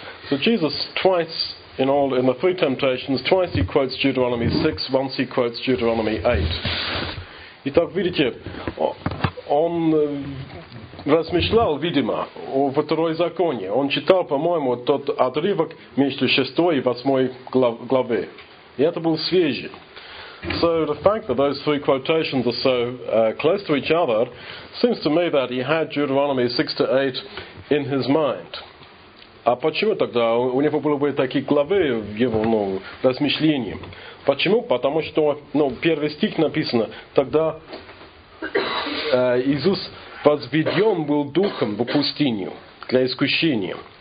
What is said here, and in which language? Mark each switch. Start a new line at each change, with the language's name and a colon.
English: So Jesus, twice in the three temptations, twice he quotes Deuteronomy 6, once he quotes Deuteronomy 8.
Russian: Итак, видите, он размышлял, видимо, о «Второзаконие». Он читал, по-моему, тот отрывок между 6 и 8 главы. И это был свежий.
English: So the fact that those three quotations are so close to each other seems to me that he had Deuteronomy 6 to 8 in his mind.
Russian: А почему тогда у него были бы такие главы в его размышлении? Почему? Потому что первый стих написано, тогда Иисус возведен был духом в пустыню для искушения.